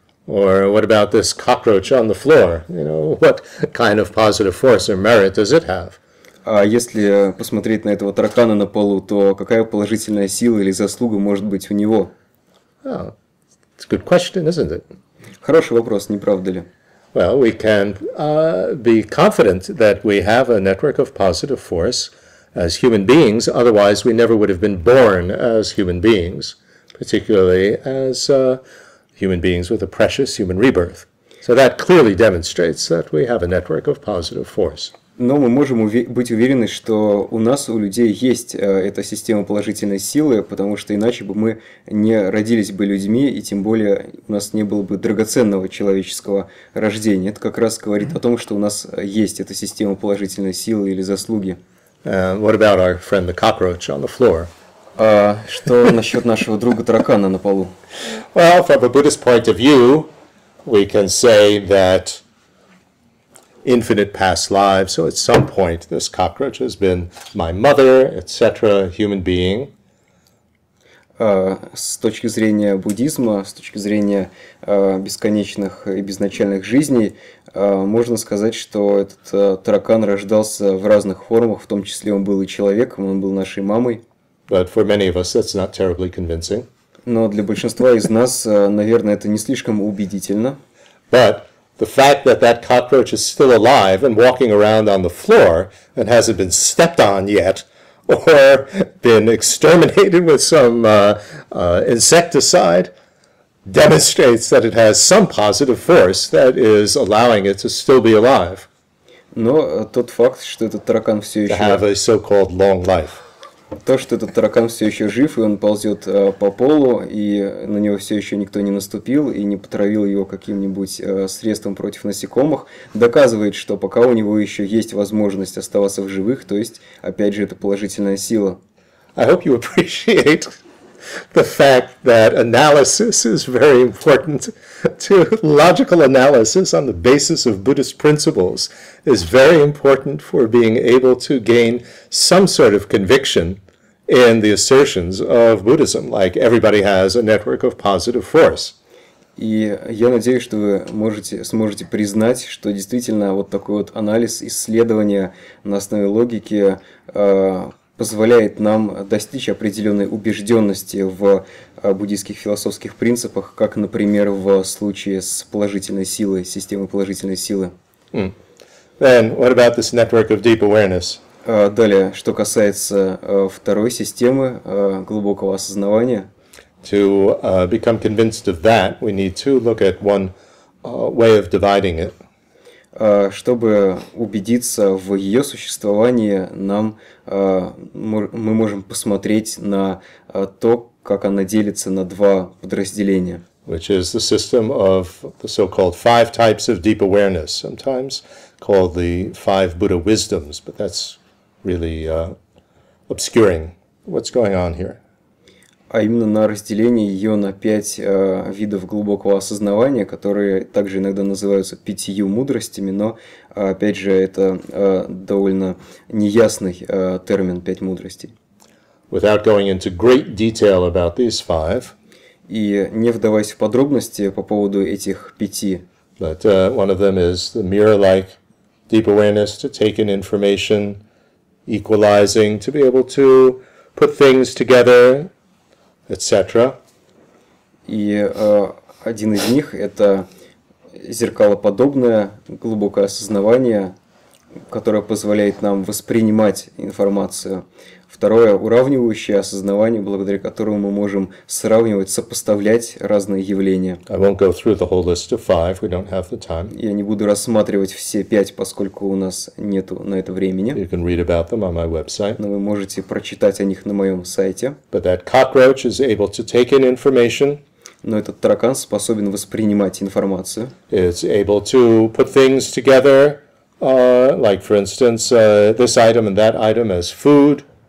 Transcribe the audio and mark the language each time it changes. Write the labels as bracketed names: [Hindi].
[English] Or what about this cockroach on the floor? You know, what kind of positive force or merit does it have? [Russian] А если посмотреть на этого таракана на полу, то какая положительная сила или заслуга может быть у него? [English] Oh, it's a good question, isn't it? [Russian] Хороший вопрос, не правда ли? [English] Well, we can be confident that we have a network of positive force as human beings, otherwise we never would have been born as human beings, particularly as human beings with a precious human rebirth. So that clearly demonstrates that we have a network of positive force. [Russian] Но мы можем быть уверены, что у нас, у людей, есть эта система положительной силы, потому что иначе бы мы не родились бы людьми, и тем более у нас не было бы драгоценного человеческого рождения. Это как раз говорит о том, что у нас есть эта система положительной силы или заслуги. [English] What about our friend the cockroach on the floor? [Russian] Что насчет нашего друга таракана на полу? [English] Well, from a Buddhist point of view, we can say that infinite past lives, so at some point this cockroach has been my mother, etc., human being. [Russian] С точки зрения буддизма, с точки зрения бесконечных и безначальных жизней, можно сказать, что этот таракан рождался в разных формах, в том числе он был и человеком, он был нашей мамой. [English] But for many of us that's not terribly convincing. [Russian] Но для большинства из нас, наверное, это не слишком убедительно. [English] But the fact that that cockroach is still alive and walking around on the floor and hasn't been stepped on yet or been exterminated with some insecticide demonstrates that it has some positive force that is allowing it to still be alive. [Russian] Но тот факт, что этот таракан все еще... [English] To have a so-called long life. [Russian] То, что этот таракан все еще жив, и он ползет по полу, и на него все еще никто не наступил и не потравил его каким-нибудь средством против насекомых, доказывает, что пока у него еще есть возможность оставаться в живых, то есть, опять же, это положительная сила. [English] I hope you appreciate the fact that analysis is very important to logical analysis on the basis of Buddhist principles is very important for being able to gain some sort of conviction in the assertions of Buddhism, like everybody has a network of positive force. [Russian] И я надеюсь, что вы сможете признать, что действительно вот такой вот анализ, исследование на основе логики позволяет нам достичь определенной убежденности в буддийских философских принципах, как, например, в случае с положительной силой, системой положительной силы. [English] Then, what about this network of deep awareness? [Russian] Далее, что касается второй системы глубокого осознавания. [English] To become convinced of that, we need to look at one way of dividing it. [Russian] Чтобы убедиться в ее существовании, мы можем посмотреть на то, как она делится на два подразделения. [English] Which is the system of the so-called five types of deep awareness, sometimes called the five Buddha wisdoms, but that's really obscuring what's going on here. [Russian] А именно на разделение ее на пять видов глубокого осознавания, которые также иногда называются пятью мудростями, но опять же это довольно неясный термин пять мудростей. [English] Without going into great detail about these five. [Russian] И не вдаваясь в подробности по поводу этих пяти. [English] But one of them is the mirror-like deep awareness to take in information, equalizing, to be able to put things together. Etc. [Russian] И один из них – это зеркалоподобное глубокое осознавание, которое позволяет нам воспринимать информацию. Второе – уравнивающее осознавание, благодаря которому мы можем сравнивать, сопоставлять разные явления. [English] I won't go through the whole list of five, we don't have the time. [Russian] Я не буду рассматривать все пять, поскольку у нас нету на это времени. [English] You can read about them on my website. [Russian] Но вы можете прочитать о них на моем сайте. [English] But that cockroach is able to take in information. [Russian] Но этот таракан способен воспринимать информацию. [English] It's able to put things together, like, for instance, this item and that item as food.